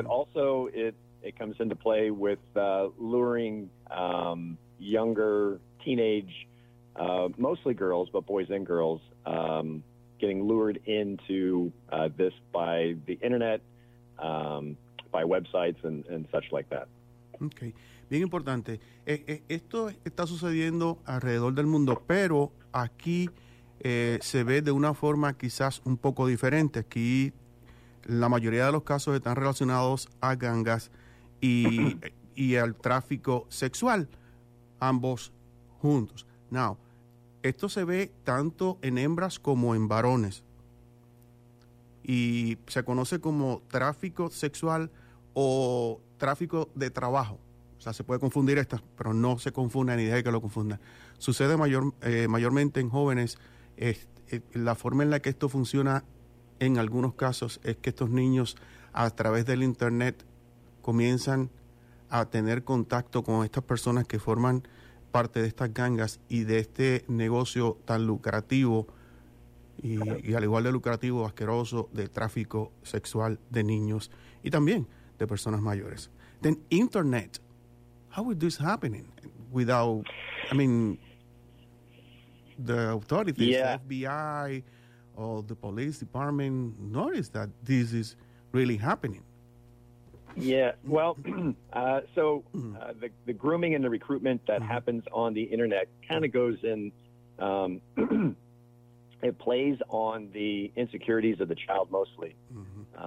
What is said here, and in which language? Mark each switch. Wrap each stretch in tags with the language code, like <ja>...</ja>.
<en>but also it comes into play with luring younger teenage, mostly girls, but boys and girls, getting lured into this by the internet, by websites and such like that.</en> <es>Okay, bien importante. Esto está sucediendo alrededor del mundo, pero aquí se ve de una forma quizás un poco diferente. Aquí la mayoría de los casos están relacionados a gangas y al tráfico sexual, ambos juntos. Now, esto se ve tanto en hembras como en varones. Y se conoce como tráfico sexual o tráfico de trabajo. O sea, se puede confundir estas, pero no se confunda, ni deje que lo confunda. Sucede mayormente en jóvenes. La forma en la que esto funciona en algunos casos es que estos niños a través del internet comienzan a tener contacto con estas personas que forman parte de estas gangas y de este negocio tan lucrativo y al igual de lucrativo, asqueroso, de tráfico sexual de niños y también de personas mayores.</es> <en>Then internet, how is this happening without, I mean, the authorities, yeah, FBI or the police department notice that this is really happening? Yeah, well, the grooming and the recruitment that happens on the internet kind of goes in, it plays on the insecurities of the child mostly. Mm-hmm.</en>